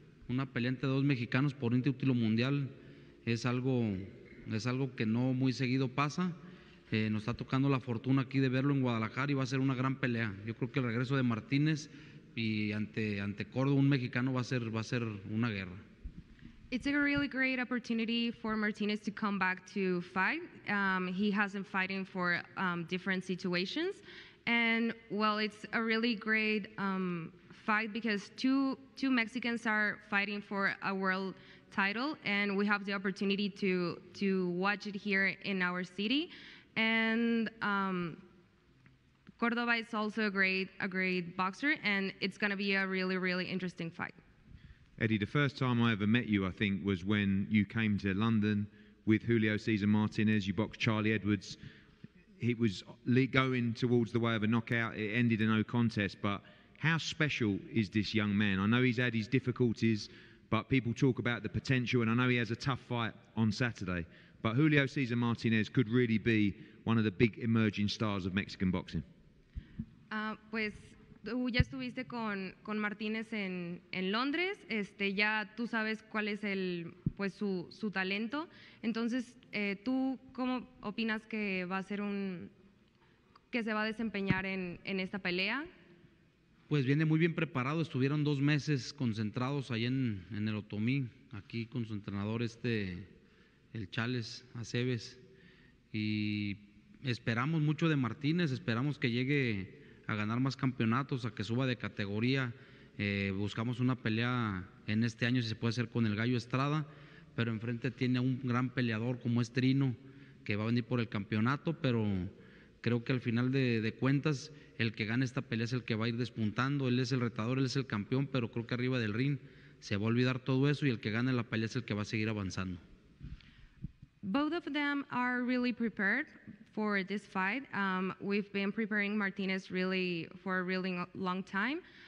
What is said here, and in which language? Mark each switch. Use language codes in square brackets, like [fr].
[es] Una pelea entre dos mexicanos por un título mundial es algo que no muy seguido pasa. Nos está tocando la fortuna aquí de verlo en Guadalajara y va a ser una gran pelea. Yo creo que el regreso de Martínez y ante Córdoba, un mexicano, va a ser una guerra. [en] It's a really great opportunity for Martinez to come back to fight. He hasn't fighting for different situations. And, well, it's a really great fight because two Mexicans are fighting for a world title, and we have the opportunity to watch it here in our city. And Cordova is also a great boxer, and it's going to be a really, really interesting fight. Eddie, the first time I ever met you, I think, was when you came to London with Julio Cesar Martinez. You boxed Charlie Edwards. It was going towards the way of a knockout. It ended in no contest. But how special is this young man? I know he's had his difficulties, but people talk about the potential, and I know he has a tough fight on Saturday. But Julio Cesar Martinez could really be one of the big emerging stars of Mexican boxing. [es] Pues, tú ya estuviste con Martinez en Londres. Ya tú sabes cuál es el... pues su talento. Entonces, ¿tú cómo opinas que va a ser que se va a desempeñar en esta pelea? Pues viene muy bien preparado. Estuvieron dos meses concentrados ahí en el Otomí, aquí con su entrenador, el Chales Aceves. Y esperamos mucho de Martínez, esperamos que llegue a ganar más campeonatos, a que suba de categoría. Buscamos una pelea en este año, si se puede hacer, con el Gallo Estrada. Pero enfrente tiene un gran peleador como es Trino, que va a venir por el campeonato, pero creo que al final de cuentas el que gane esta pelea es el que va a ir despuntando. Él es el retador, él es el campeón, pero creo que arriba del ring se va a olvidar todo eso y el que gane la pelea es el que va a seguir avanzando. [en] Both of them are really prepared for this fight. We've been preparing Martinez really for a really long time.